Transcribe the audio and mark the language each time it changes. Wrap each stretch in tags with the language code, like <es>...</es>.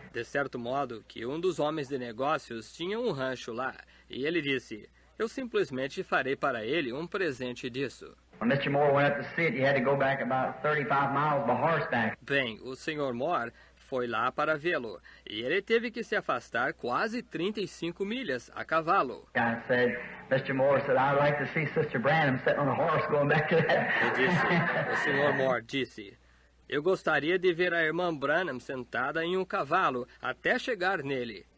<pt>De certo modo, que dos homens de negócios tinha rancho lá, e ele disse, "Eu simplesmente farei para ele presente disso."</pt> <en>When Mr. Moore went up to see it, he had to go back about 35 miles by horseback.</en> <pt>Bem, o Sr. Moore foi lá para vê-lo, e ele teve que se afastar quase 35 milhas a cavalo.</pt> <en>Mr. Moore said, "I'd like to see Sister Branham sitting on a horse going back to that."</en> <pt>Ele disse, o Sr. Moore disse, "Eu gostaria de ver a irmã Branham sentada em cavalo até chegar nele."</pt>